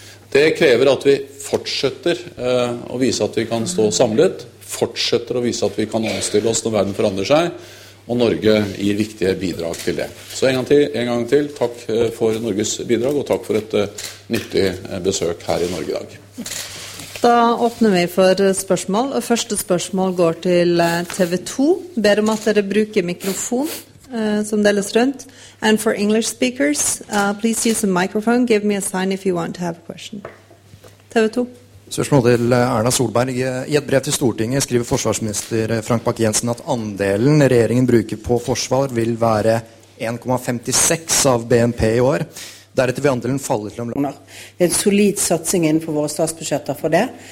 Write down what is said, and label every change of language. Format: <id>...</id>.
<no>Det krever at vi fortsetter å vise at vi kan stå samlet, fortsetter å vise at vi kan omstille oss når verden forandrer seg, og Norge gir viktige bidrag til det. Så en gang til, takk for Norges bidrag, og takk for et nyttig besøk her i Norge i dag. Da åpner vi for spørsmål, og første spørsmål går til TV 2. Ber om at dere bruker mikrofon. som deles rundt.</no> <en>And for English speakers, please use the microphone. Give me a sign if you want to have a question. TV2.</en> <no>Spørsmål til Erna Solberg. I et brev til Stortinget skriver forsvarsminister Frank Bakke-Jensen at andelen regjeringen bruker på forsvar vil være 1,56 av BNP I år. Deretter vil andelen falle til om lag. Det en solid satsing innenfor våre statsbudsjetter for det.</no>